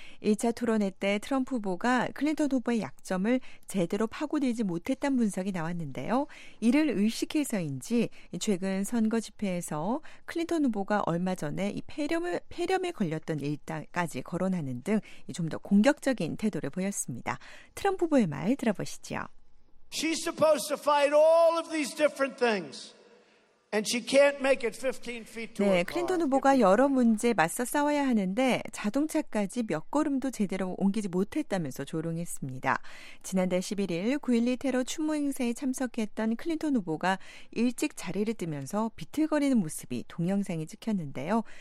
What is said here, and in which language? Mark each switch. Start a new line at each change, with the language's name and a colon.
Korean: 1차 토론회 때 트럼프 후보가 클린턴 후보의 약점을 제대로 파고들지 못했다는 분석이 나왔는데요. 이를 의식해서인지 최근 선거 집회에서 클린턴 후보가 얼마 전에 폐렴에 걸렸던 일까지 거론하는 등 좀 더 공격적인 태도를 보였습니다. 트럼프 후보의 말 들어보시죠.
English: She's supposed to fight all of these different things. And she can't make it 15 feet to her car.
Korean: 네, 클린턴 후보가 여러 문제에 맞서 싸워야 하는데 자동차까지 몇 걸음도 제대로 옮기지 못했다면서 조롱했습니다. 지난달 11일 9.12 테러 추모 행사에 참석했던 클린턴 후보가 일찍 자리를 뜨면서 비틀거리는 모습이 동영상에 찍혔는데요.